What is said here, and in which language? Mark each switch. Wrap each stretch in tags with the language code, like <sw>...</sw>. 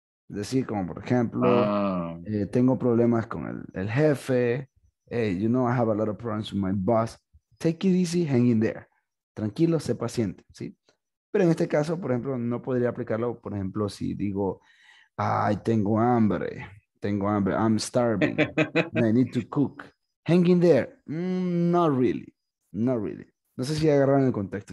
<es>Es decir, como por ejemplo, tengo problemas con el jefe.</es> <en>Hey, you know, I have a lot of problems with my boss. Take it easy, hang in there.</en> <es>Tranquilo, sé paciente, ¿sí? Pero en este caso, por ejemplo, no podría aplicarlo, por ejemplo, si digo, ay, tengo hambre. Tengo hambre.</es> <en>I'm starving. I need to cook. Hang in there. Not really. Not really.</en> <es>No sé si agarraron el contexto.</es>